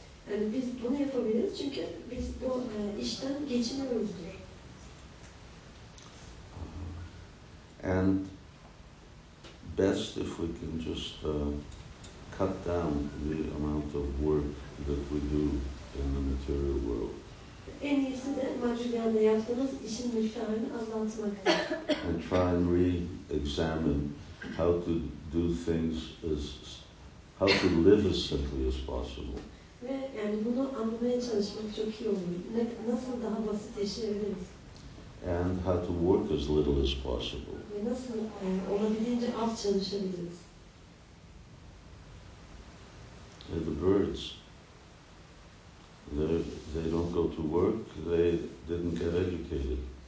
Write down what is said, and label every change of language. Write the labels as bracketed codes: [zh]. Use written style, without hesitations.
[en] And best if we can just cut down the amount of work that we do in the material world. [tr] En iyisi de materyalde yaptığınız işin miktarını azaltmak. [en] And try and re-examine how to do things as how to live as simply as possible. [tr] Ve yani bunu anlamaya çalışmak çok iyi olur. Nasıl daha basit yaşayabiliriz? [en] And how to work as little as possible. [tr] Ve nasıl olabildiğince az çalışabiliriz? [en] The birds. They don't go to work, they didn't get educated.